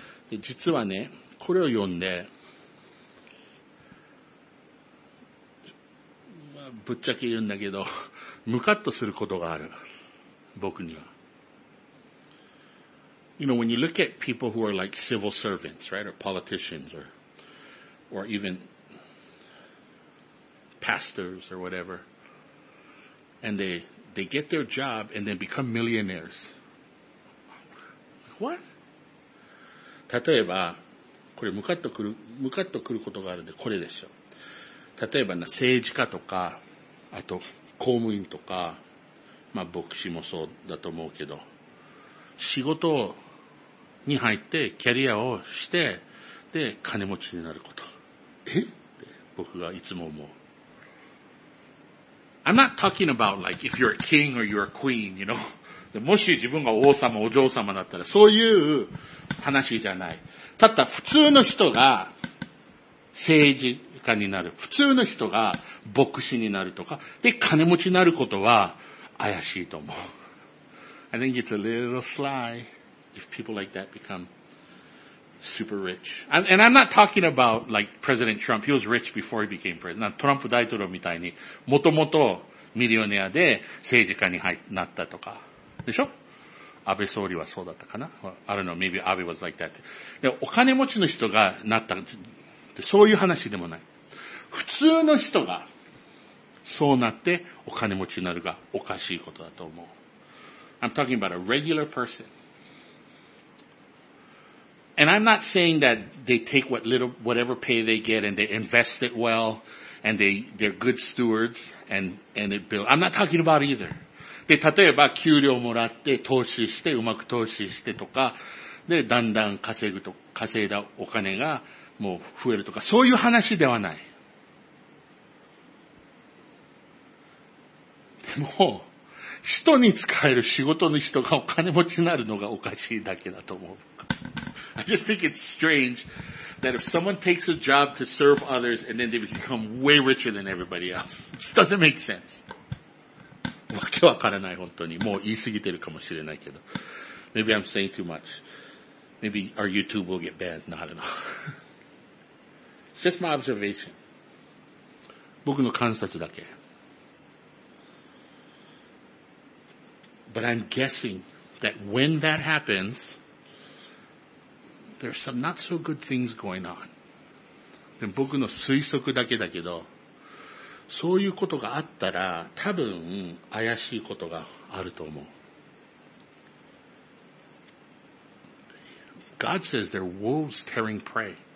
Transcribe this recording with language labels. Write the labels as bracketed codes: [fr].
[ja] で、実はね、これを読んで、まあ、ぶっちゃけ言うんだけど、ムカッとすることがある。僕には。 [en] You know, when you look at people who are like civil servants, right? Or politicians, or even pastors or whatever,And they get their job and then become millionaires. What? [ja] 例えば、これムカッとくることがあるんで、これでしょ。例えばな、政治家とか、あと公務員とか、まあ牧師もそうだと思うけど、仕事に入ってキャリアをして、で、金持ちになること。え?って僕がいつも思う。 [en] I'm not talking about like if you're a king or you're a queen, you know. [ja] もし自分が王様、お嬢様だったら、そういう話じゃない。ただ普通の人が政治家になる。普通の人が牧師になるとか、で、金持ちになることは怪しいと思う。 [en] I think it's a little sly if people like that become super rich. And I'm not talking about like President Trump. He was rich before he became president. [ja] トランプ大統領みたいに、もともとミリオネアで政治家になったとか。でしょ?安倍総理はそうだったかな ? [en] I don't know, maybe Abe was like that. [ja] でお金持ちの人がなった。そういう話でもない。普通の人がそうなってお金持ちになるがおかしいことだと思う。 [en] I'm talking about a regular person. And I'm not saying that they take what little, whatever pay they get and they invest it well and they're good stewards and it builds. I'm not talking about either. [ja] で、例えば給料もらって投資してうまく投資してとか、で、だんだん稼ぐと、稼いだお金がもう増えるとか、そういう話ではない。でも、人に使える仕事の人がお金持ちになるのがおかしいだけだと思う。 [en] I just think it's strange that if someone takes a job to serve others and then they become way richer than everybody else. It just doesn't make sense. [ja] わけわからない、本当に。もう言い過ぎてるかもしれないけど。 [en] Maybe I'm saying too much. Maybe our YouTube will get banned. No, I don't know. It's just my observation. [ja] 僕の観察だけ。 [en] But I'm guessing that when that happens,There's some not so good things going on. [ja] でも僕の推測だけだけど、そういうことがあったら、多分怪しいことがあると思う。 [en] God says they're wolves tearing prey.